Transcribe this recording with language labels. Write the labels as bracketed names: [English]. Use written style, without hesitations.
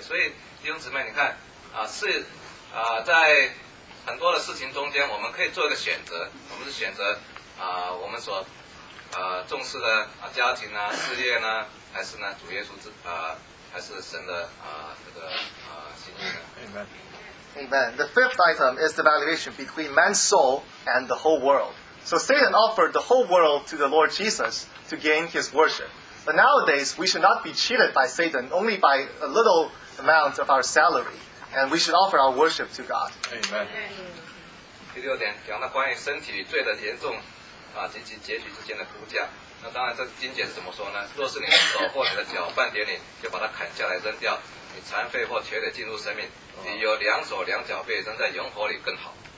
[Chinese] 所以弟兄姊妹，你看啊是在很多的事情中间，我们可以做一个选择，我们是选择我们所重视的家庭啊事业呢、啊。还是呢，主耶稣还是神的心意呢？ [English] Amen. Amen. The fifth item is the valuation between man's soul and the whole world. So Satan offered the whole world to the Lord Jesus to gain his worship. But nowadays, we should not be cheated by Satan only by a little amount of our salary, and we should offer our worship to God. Amen. [Chinese] 第六点讲到关于身体罪的严重及其结局之间的估价。那当然，这经简是怎么说呢？若是你的手或你的脚半点里，就把它砍下来扔掉，你残废或瘸腿进入生命，你有两手两脚被扔在永火里更好。